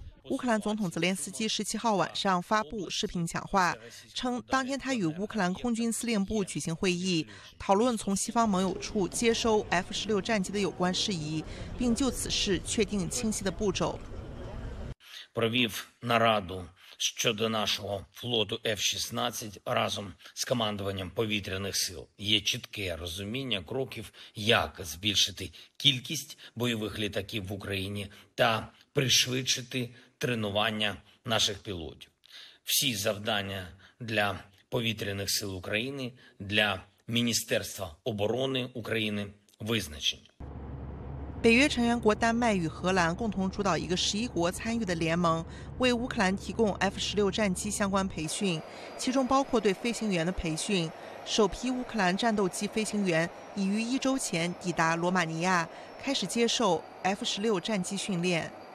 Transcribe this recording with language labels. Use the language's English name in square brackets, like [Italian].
[Chinese] 乌克兰总统泽连斯基17号晚上发布视频讲话，称当天他与乌克兰空军司令部举行会议，讨论从西方盟友处接收 F-16 战机的有关事宜，并就此事确定清晰的步骤。 [Ukrainian] провів нараду щодо нашого флоту F-16 разом з командуванням повітряних сил. Є чітке розуміння кроків, як збільшити кількість бойових літаків в Україні та пришвидшити тренування наших пілотів. Всі завдання для повітряних сил України, для Міністерства оборони України визначення. [Chinese] 北约成员国丹麦与荷兰共同主导一个11国参与的联盟， 为乌克兰提供F-16战机相关培训， 其中包括对飞行员的培训。首批乌克兰战斗机飞行员已于一周前抵达罗马尼亚， 开始接受F-16战机训练。